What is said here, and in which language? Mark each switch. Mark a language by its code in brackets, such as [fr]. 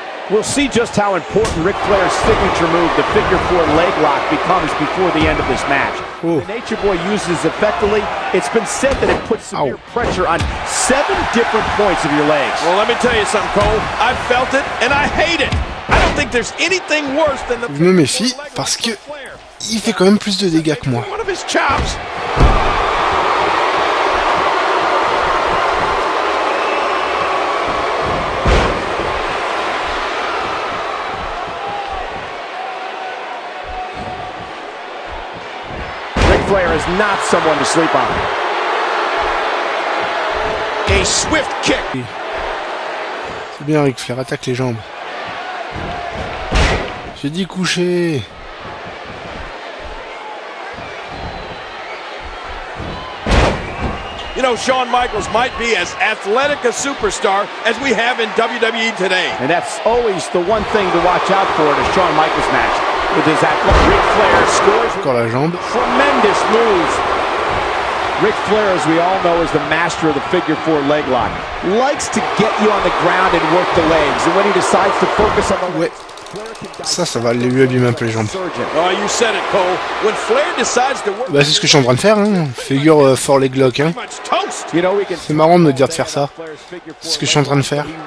[en] We'll see just how important Ric Flair's signature move, the figure four leg lock, becomes before the end of this match. Ooh. The Nature Boy uses effectively. It's been said that it puts severe pressure on seven different points of your legs. Well, let me tell you something, Cole. I've felt it, and I hate it. I don't think there's anything worse than the. [fr] Je me méfie parce que il fait quand même plus de dégâts que moi. [en] One of his chops. Flair is not someone to sleep on. A swift kick. [fr] C'est bien, Ric Flair attaque les jambes. J'ai dit coucher. [en] You know, Shawn Michaels might be as athletic a superstar as we have in WWE today. And that's always the one thing to watch out for in a Shawn Michaels match. With his athlete, Ric Flair scores. Encore la jambe. Tremendous moves. Ric Flair, as we all know, is the master of the figure four leg lock. Likes to get you on the ground and work the legs. And when he decides to focus on the ouais. [fr] Ça, ça va lui abîmer un peu les jambes. [en] Oh, you said it, Cole. When Flair decides to work. [fr] Bah, c'est ce que je suis en train de faire, hein. Figure four leg lock, hein. C'est marrant de me dire de faire ça. C'est ce que je suis en train de faire.